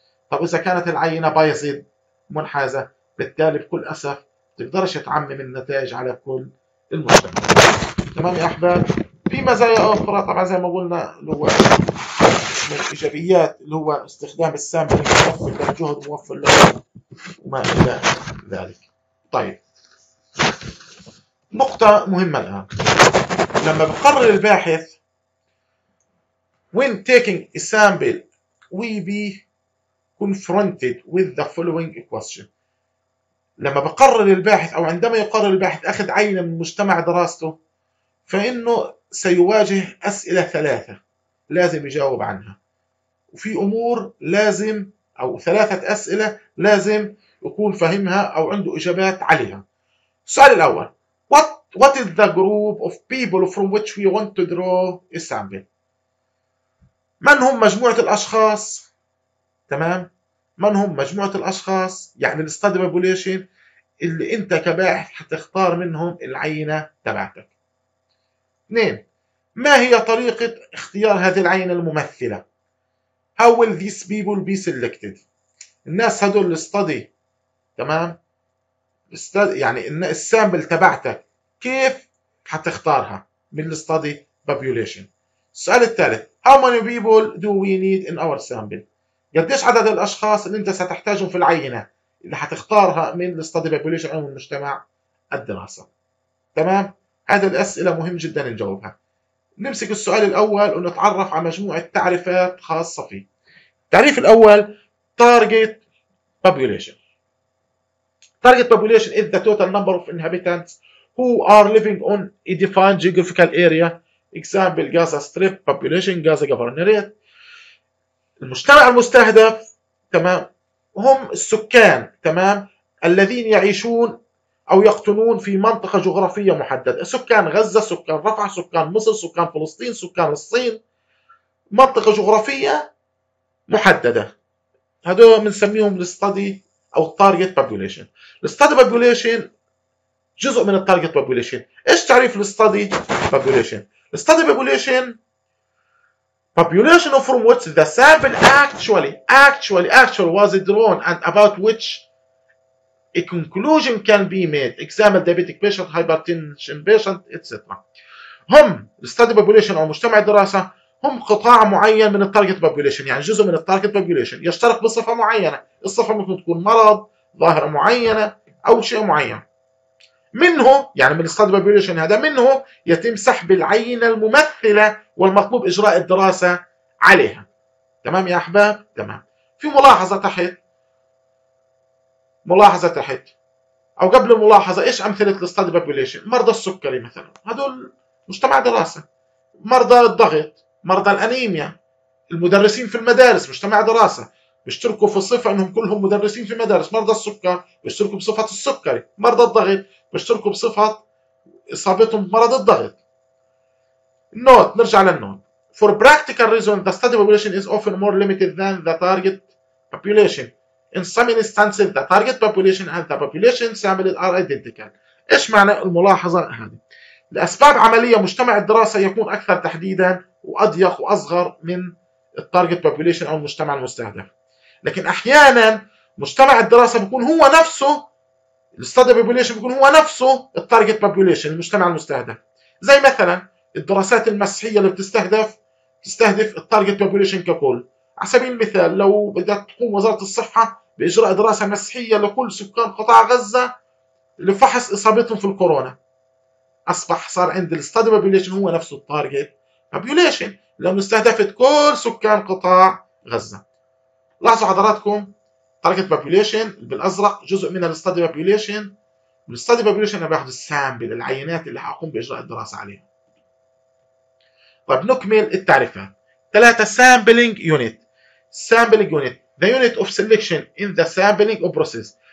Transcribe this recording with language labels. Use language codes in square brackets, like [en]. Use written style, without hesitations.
[ar] طب اذا كانت العينه بايظه منحازه، بالتالي بكل اسف ما تقدرش تعمم النتائج على كل المجتمع. تمام يا احباب. في مزايا اخرى طبعا زي ما قلنا اللي هو من الايجابيات اللي هو استخدام السامبل يوفر لك جهد ويوفر لك وما الى ذلك. طيب نقطه مهمه الان، لما بقرر الباحث [en] when taking a sample we be confronted with the following question. [ar] لما بقرر الباحث او عندما يقرر الباحث اخذ عينه من مجتمع دراسته فانه سيواجه اسئله ثلاثه لازم يجاوب عنها، وفي امور لازم او ثلاثه اسئله لازم يكون فهمها او عنده اجابات عليها. السؤال الاول [en] what is the group of people from which we want to draw a sample. [ar] من هم مجموعة الأشخاص؟ تمام؟ من هم مجموعة الأشخاص؟ يعني الستادي بوبوليشن اللي أنت كباحث حتختار منهم العينة تبعتك. اثنين، ما هي طريقة اختيار هذه العينة الممثلة؟ [en] How will these people be selected؟ [ar] الناس هدول الستادي، تمام؟ يعني السامبل تبعتك كيف حتختارها من الستادي بوبوليشن؟ السؤال الثالث، [en] How many people do we need in our sample؟ [ar] قديش عدد الأشخاص اللي أنت ستحتاجهم في العينة اللي حتختارها من الستادي بوبوليشن أو من مجتمع الدراسة؟ تمام؟ هذه الأسئلة مهم جدا نجاوبها. نمسك السؤال الأول ونتعرف على مجموعة تعريفات خاصة فيه. التعريف الأول Target Population. [en] Target Population is the total number of inhabitants who are living on a defined geographical area. Example Gaza Strip Population Gaza Governorate. [ar] المجتمع المستهدف تمام هم السكان تمام الذين يعيشون أو يقطنون في منطقة جغرافية محددة، سكان غزة، سكان رفح، سكان مصر، سكان فلسطين، سكان الصين، منطقة جغرافية محددة، هذول بنسميهم الستادي أو التارجت بوبوليشن. الستادي بوبوليشن جزء من التارجت بوبوليشن. إيش تعريف الستادي بوبوليشن؟ [en] Study population, population from which the sample actually was drawn and about which a conclusion can be made. Example: diabetic patient, hypertension patient, etc. [ar] هم study population أو مجتمع الدراسة هم قطاع معين من target population، يعني جزء من target population يشترك بصفة معينة. الصفة ممكن تكون مرض، ظاهرة معينة أو شيء معين. منه يعني من الستادي بوبوليشن هذا منه يتم سحب العينه الممثله والمطلوب اجراء الدراسه عليها. تمام يا احباب. تمام. في ملاحظه تحت، ملاحظه تحت او قبل الملاحظه، ايش امثله الستادي بوبوليشن؟ مرضى السكري مثلا، هذول مجتمع دراسه. مرضى الضغط، مرضى الانيميا، المدرسين في المدارس مجتمع دراسه، بيشتركوا في صفه انهم كلهم مدرسين في مدارس. مرضى السكر بيشتركوا بصفه السكري. مرضى الضغط بيشتركوا بصفة إصابتهم بمرض الضغط. نوت، نرجع للنوت. [en] For practical reasons the study population is often more limited than the target population. In some instances the target population and the population sampled are identical. [ar] إيش معنى الملاحظة هذه؟ لأسباب عملية مجتمع الدراسة يكون أكثر تحديدا وأضيق وأصغر من التارجت بوبوليشن أو المجتمع المستهدف. لكن أحيانا مجتمع الدراسة بيكون هو نفسه الستادي بوبوليشن، بيكون هو نفسه التارجت بوبوليشن المجتمع المستهدف. زي مثلا الدراسات المسيحيه اللي بتستهدف تستهدف التارجت بوبوليشن ككل. على سبيل المثال لو بدأت تقوم وزارة الصحة بإجراء دراسة مسحية لكل سكان قطاع غزة لفحص إصابتهم في الكورونا، أصبح صار عند الستاد بوبوليشن هو نفسه التارجت بوبوليشن، لأنه استهدفت كل سكان قطاع غزة. لاحظوا حضراتكم تارجت بوبوليشن بالأزرق جزء من الستاد بوبوليشن، والستاد بوبوليشن أنا باخذ السامبل العينات اللي حقوم بإجراء الدراسة عليها. طيب نكمل التعريفات. ثلاثة سامبلينج يونت. [en] Sampling unit the unit of selection in the sampling process.